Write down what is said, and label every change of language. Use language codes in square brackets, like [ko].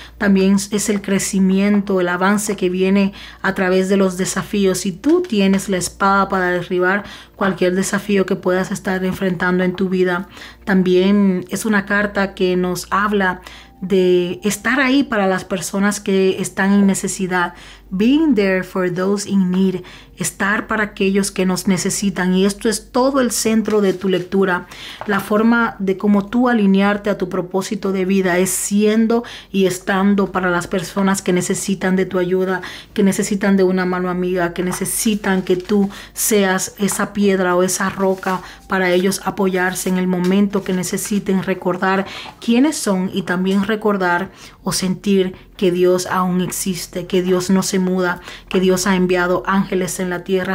[es] También es el crecimiento, el avance que viene a través de los desafíos. Y tú tienes la espada para derribar cualquier desafío que puedas estar enfrentando en tu vida. También es una carta que nos habla de estar ahí para las personas que están en necesidad. [en] Being there for those in need. [es] Estar para aquellos que nos necesitan. Y esto es todo el centro de tu lectura. La forma de cómo tú alinearte a tu propósito de vida es siendo y estando para las personas que necesitan de tu ayuda, que necesitan de una mano amiga, que necesitan que tú seas esa piedra o esa roca para ellos apoyarse en el momento que necesiten, recordar quiénes son y también recordar o sentir que Dios aún existe, que Dios no se muda, que Dios ha enviado ángeles en la tierra.